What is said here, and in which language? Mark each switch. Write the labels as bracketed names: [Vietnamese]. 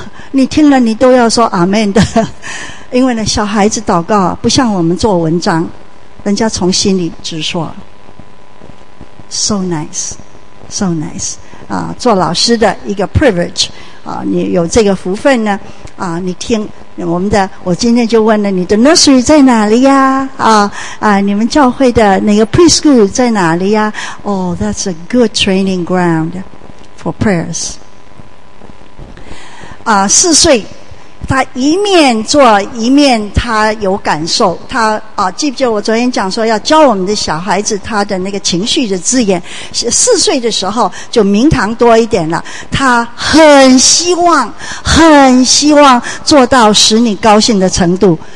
[Chinese] 你听了你都要说阿们的。因为呢小孩子祷告不像我们做文章，人家从心里直说， [English] So nice, so nice [Chinese] 啊，做老师的一个 privilege 啊，你有这个福分呢啊，你听我们的，我今天就问了你的 nursery 在哪里呀？你们教会的那个 preschool 在哪里呀？ [English] Oh, that's a good training ground for prayers. [Chinese] 啊，四岁，他一面做一面他有感受，他啊，记不记得我昨天讲说要教我们的小孩子他的那个情绪的字眼？四岁的时候就明堂多一点了，他很希望，很希望做到使你高兴的程度。